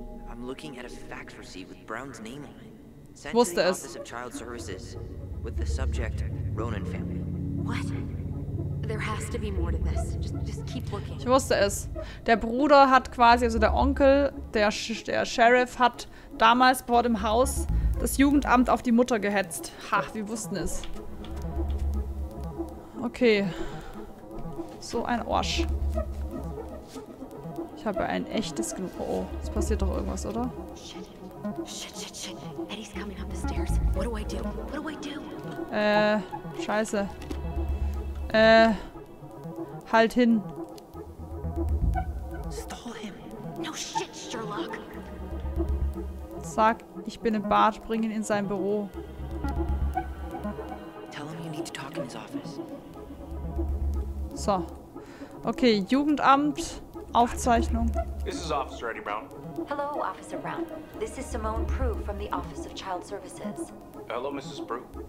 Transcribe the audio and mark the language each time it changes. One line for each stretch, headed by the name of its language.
English: I'm looking at a fax receipt with Brown's name on it. Sent to the Office of Child Services with the subject Ronan family. What? There has to be more to this. Just keep looking.
German: Ich wusste es. Der Bruder hat quasi, also der Onkel, der Sheriff hat damals vor dem Haus das Jugendamt auf die Mutter gehetzt. Ha, wir wussten es. Okay. So ein Arsch. Ich habe ein echtes Glück. Oh, es passiert doch irgendwas, oder?
English: Shit. Eddie's coming up the stairs. What do I do? What do I do?
German: Scheiße. Halt hin. Stole him.
English: No shit, Sherlock.
German: Sag, ich bin im Bad, bring ihn in sein Büro.
English: Tell him you need to talk in his office.
German: So. Okay, Jugendamt. Aufzeichnung.
English: This is Officer Eddie Brown. Hello, Officer Brown. This is Simone Prue from the Office of Child Services. Hello, Mrs. Prue.